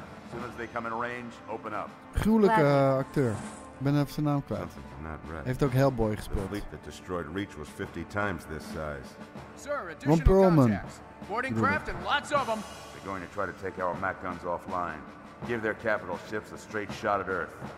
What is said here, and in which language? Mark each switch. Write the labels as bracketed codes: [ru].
[en] As soon as they come in range, open up. [nl] Gruwelijke acteur. Ik ben even zijn naam kwijt. Heeft ook Hellboy gespeeld. [en] The fleet that destroyed Reach was 50 times this size. Sir, additional Perlman. Boarding craft and lots of them. They're going to try to take our mech guns offline. Give their capital ships a straight shot at Earth.